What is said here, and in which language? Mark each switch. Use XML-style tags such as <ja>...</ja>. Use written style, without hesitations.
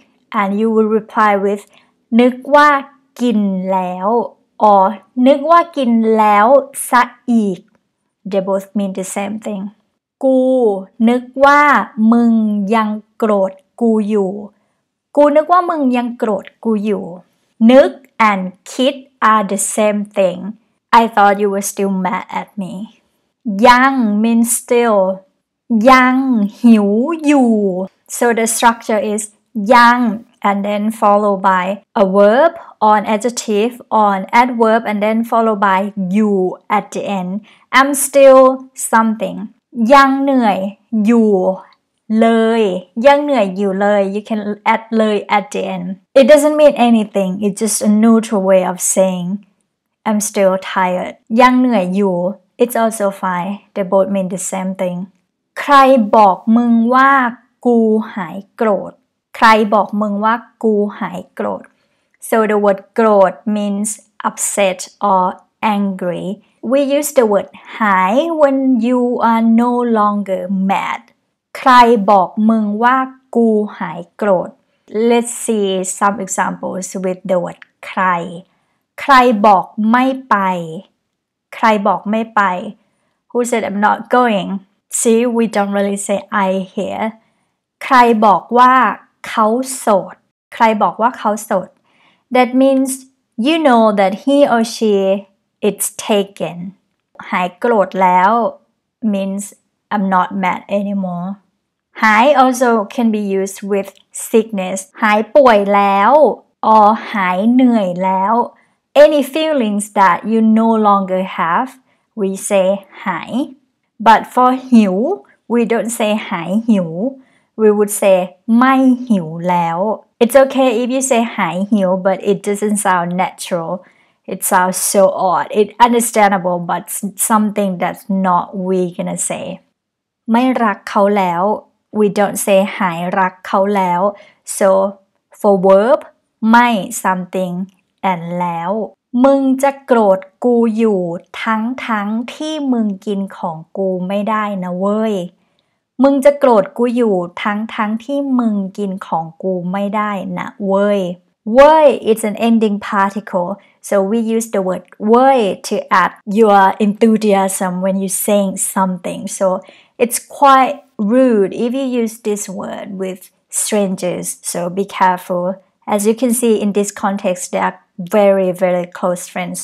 <en>And you will reply with</en> <th>นึกว่ากินแล้ว</th> <en>Or,</en> <th>นึกว่ากินแล้วซะอีก</th> <en>They both mean the same thing.</en> <th>กูนึกว่ามึงยังโกรธกูอยู่กูนึกว่ามึงยังโกรธกูอยู่นึก and คิด</th> <en>are the same thing. I thought you were still mad at me.</en> <th>ยัง</th> <en>means still.</en> <th>ยังหิวอยู่</th> <en>So the structure is ยังAnd then followed by a verb or an adjective or an adverb and then followed by you at the end. I'm still something.</en> <th>ยังเหนื่อยอยู่เลยยังเหนื่อยอยู่เลย</th> <en>You can add</en> <th>เลย</th> <en>at the end. It doesn't mean anything. It's just a neutral way of saying I'm still tired.</en> <th>ยังเหนื่อยอยู่</th> <en>It's also fine. They both mean the same thing.</en> <th>ใครบอกมึงว่ากูหายโกรธใครบอกมึงว่ากูหายโกรธ</th> <en>So the word</en> <th>โกรธ</th> <en>means upset or angry. We use the word หาย when you are no longer mad.</en> <th>ใครบอกมึงว่ากูหายโกรธ</th> <en>Let's see some examples with the word</en> <th>ใครใครบอกไม่ไปใครบอกไม่ไป</th> <en>Who said I'm not going? See, we don't really say I here.</en> <th>ใครบอกว่าเขาโสดใครบอกว่าเขาโสด</th> <en>That means you know that he or she is taken</en> <th>หายโกรธแล้ว</th> <en>means I'm not mad anymore Hai also can be used with sickness. Hai</en> <th>ป่วยแล้ว</th> <en>or hai</en> <th>เหนื่อยแล้ว.</th> <en>Any feelings that you no longer have, we say hai. But for hiu, we don't say hai hiu. We would say mai hiu แล้ว. It's okay if you say hai hiu, but it doesn't sound natural. It sounds so odd. It's understandable, but something that's not we gonna say.</en> <th>ไม่รักเขาแล้ว.</th> <en>We don't say</en> <th>หายรักเขาแล้ว.</th> <en>So for verb, ไม่ something and แล้ว.</en> <th>มึงจะโกรธกูอยู่ทั้งที่มึงกินของกูไม่ได้นะเว้ย. มึงจะโกรธกูอยู่ทั้งที่มึงกินของกูไม่ได้นะเว้ย.</th> <en>เว้ย is an ending particle. So we use the word "woy" to add your enthusiasm when you're saying something. So it's quite rude if you use this word with strangers. So be careful. As you can see in this context, they are very, very close friends.</en>